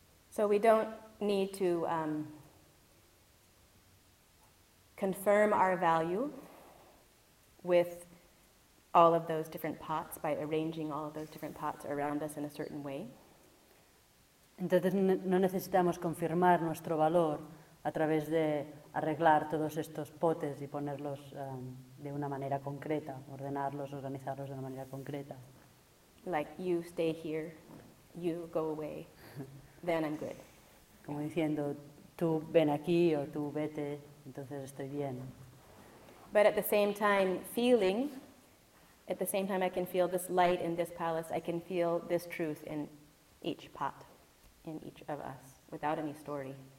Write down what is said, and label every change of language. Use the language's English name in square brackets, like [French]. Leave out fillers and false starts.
[English] So we don't need to confirm our value with all of those different pots by arranging all of those different pots around us in a certain way. [Spanish] Entonces no necesitamos confirmar nuestro valor a través de arreglar todos estos potes y ponerlos de una manera concreta, ordenarlos, organizarlos de una manera concreta. [English] Like, you stay here, you go away, then I'm good. [Spanish] Como diciendo, tú ven aquí o tú vete, entonces estoy bien. [English] But at the same time, feeling, at the same time I can feel this light in this palace, I can feel this truth in each pot, in each of us, without any story.